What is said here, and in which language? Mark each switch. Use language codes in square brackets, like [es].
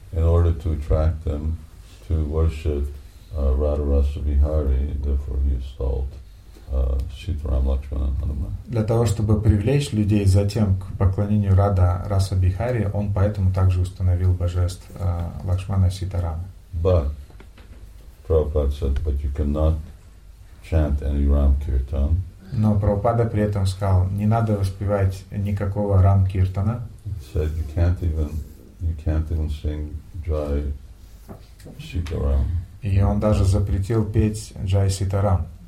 [en] In order to attract them to worship Radharasa Vihari, therefore he installed Sitaram, Lakshman, and Hanuman. [ru] Для того, чтобы привлечь людей затем к поклонению Радхараса Бихари, он поэтому также установил божеств Лакшмана Ситарамы. [en] But Prabhupada said, but you cannot chant any Ram Kirtan. [ru] Но Прабхупада при этом сказал, не надо воспевать никакого Рам Киртана. [en] He said, you can't even sing Jai Sitaram. [ru] И он даже запретил петь Джай Ситарам.